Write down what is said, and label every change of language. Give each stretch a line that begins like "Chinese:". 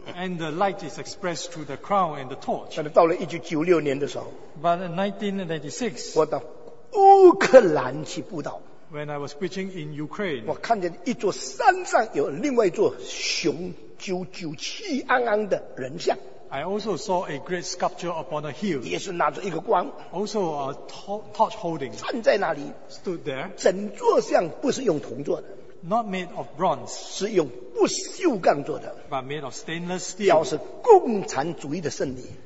English: And the light is expressed through the crown and the torch.
Chinese: 但是到了1996年的时候，
English: But in 1996，
Chinese: 我到乌克兰去布道。
English: When I was preaching in Ukraine，
Chinese: 我看见一座山上有另外一座雄赳赳气昂昂的人像。
English: I also saw a great sculpture upon a hill，
Chinese: 也是拿着一个光。
English: Also a torch holding，
Chinese: 站在那里，
English: Stood there，
Chinese: 整座像不是用铜做的。
English: Not made of bronze，
Chinese: 是用不锈钢做的，
English: but made of stainless steel，
Chinese: 表示共产主义的胜利，